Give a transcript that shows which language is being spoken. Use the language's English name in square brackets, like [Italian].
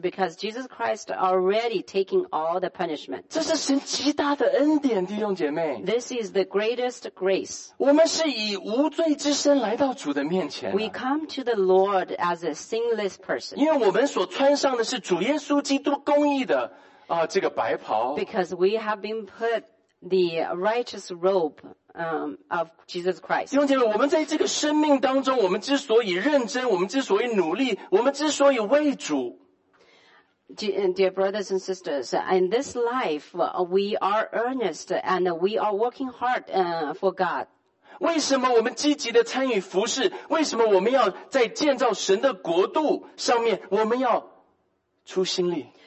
[English] Because Jesus Christ already taking all the punishment. [Chinese] 这是神极大的恩典，弟兄姐妹。 [English] This is the greatest grace. [Chinese] 我们是以无罪之身来到主的面前。 [English] We come to the Lord as a sinless person. [Chinese] 因为我们所穿上的是主耶稣基督公义的这个白袍。 [English] Because we have been put the righteous robe. Of Jesus Christ. [Chinese] 弟兄姐妹，我们在这个生命当中，我们之所以认真，我们之所以努力，我们之所以为主。 [English] Dear brothers and sisters, in this life, we are earnest and we are working hard for God. [Chinese] 为什么我们积极的参与服事？为什么我们要在建造神的国度上面，我们要出心力？